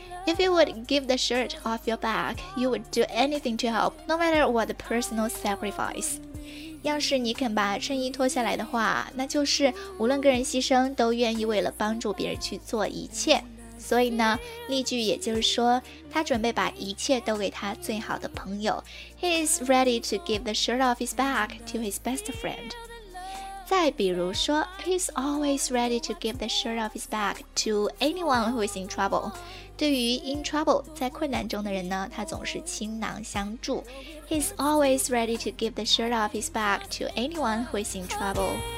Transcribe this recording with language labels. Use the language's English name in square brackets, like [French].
[English] If you would give the shirt off your back, you would do anything to help, no matter what the personal sacrifice. [Chinese] 要是你肯把衬衣脱下来的话，那就是无论个人牺牲，都愿意为了帮助别人去做一切。所以呢，例句也就是说，他准备把一切都给他最好的朋友。 [English] He is ready to give the shirt off his back to his best friend. [Chinese] 再比如说 [English] ,He's always ready to give the shirt off his back to anyone who is in trouble. [Chinese] 对于 [English] in trouble [Chinese] 在困难中的人呢，他总是倾囊相助。 [English] He's always ready to give the shirt off his back to anyone who is in trouble.